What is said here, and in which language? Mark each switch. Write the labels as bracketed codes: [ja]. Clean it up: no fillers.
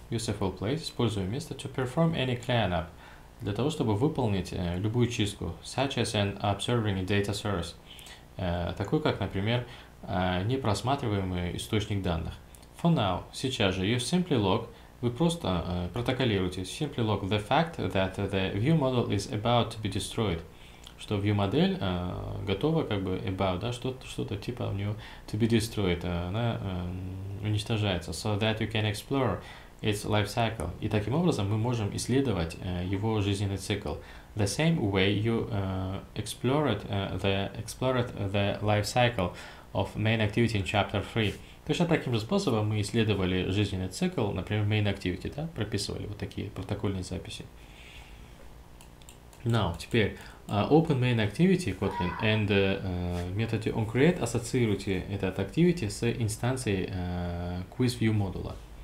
[en] Useful place. [ru] Используем место [en] to perform any cleanup. [ru] Для того, чтобы выполнить любую чистку. [en] Such as an observing data source. [ru] Такой, как, например, непросматриваемый источник данных. [en] For now. [ru] Сейчас же. [en] You simply log. [ru] Вы просто протоколируете. [en] Simply log the fact that the view model is about to be destroyed. [ru] Что view-модель готова, как бы, about, да, что-то типа у нее [en] to be destroyed, [ru] она уничтожается. [en] So that you can explore its life cycle. [ru] И таким образом мы можем исследовать его жизненный цикл. [en] The same way you explored the life cycle of main activity in chapter 3. [ru] Точно таким же способом мы исследовали жизненный цикл, например, main activity, да, прописывали вот такие протокольные записи. Now, теперь [en] open main activity Kotlin and [ru] методе onCreate ассоциируйте этот activity с инстанцией quizView модула.